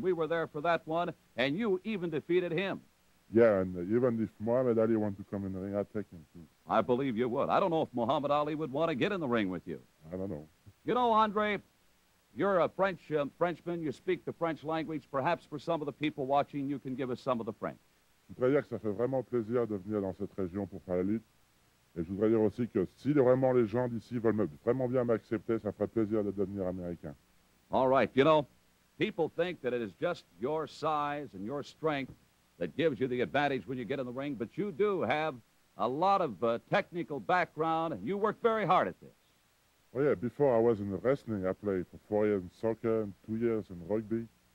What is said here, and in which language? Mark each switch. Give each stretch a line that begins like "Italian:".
English: We were there for that one, and you even defeated him. Yeah, and even if Muhammad Ali wanted to come in the ring, I'd take him too. I believe you would. I don't know if Muhammad Ali would want to get in the ring with you. I don't know. You know, Andre... you're a French Frenchman. You speak the French language. Perhaps for some of the people watching, you can give us some of the French.
French: Je voudrais dire que ça fait vraiment plaisir de venir dans cette région pour faire la lutte. Et je voudrais dire aussi que si vraiment les gens d'ici veulent vraiment bien m'accepter, ça ferait plaisir de devenir américain.
English: All right. You know, people think that it is just your size and your strength that gives you the advantage when you get in the ring. But you do have a lot of technical background. You work very hard at this. Oh, yeah, before I was in wrestling, I played for 4 years in soccer and 2 years in rugby.